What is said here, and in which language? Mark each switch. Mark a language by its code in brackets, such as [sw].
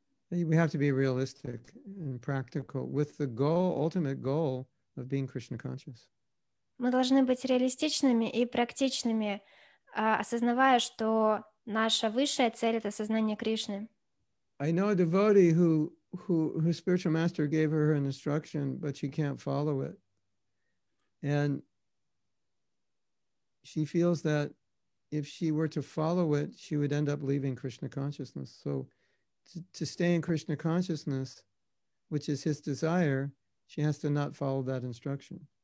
[en] Yeah. We have to be realistic and practical with the goal, ultimate goal of being Krishna conscious. [ru] Мы должны быть реалистичными и практичными, осознавая, что наша высшая цель — это сознание Кришны. [en] I know a devotee who spiritual master gave her an instruction, but she can't follow it. And she feels that if she were to follow it, she would end up leaving Krishna consciousness. So to stay in Krishna consciousness, which is his desire, she has to not follow that instruction.